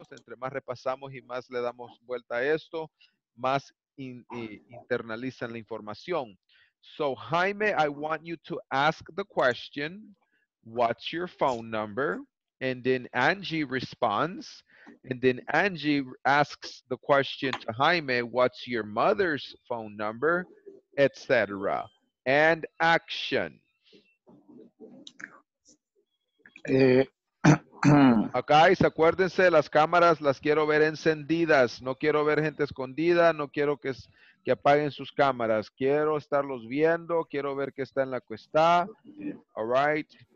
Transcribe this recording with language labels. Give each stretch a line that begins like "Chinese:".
Spanish: Entre más repasamos y más le damos vuelta a esto, más internalizan la información.
English: So, Jaime, I want you to ask the question, what's your phone number? And then Angie responds. And then Angie asks the question to Jaime, what's your mother's phone number, etc. And action.
Spanish: Guys, acuérdense, las cámaras las quiero ver encendidas. No quiero ver gente escondida. No quiero que apaguen sus cámaras. Quiero estarlos viendo. Quiero ver que está en la cuesta.
English: All right.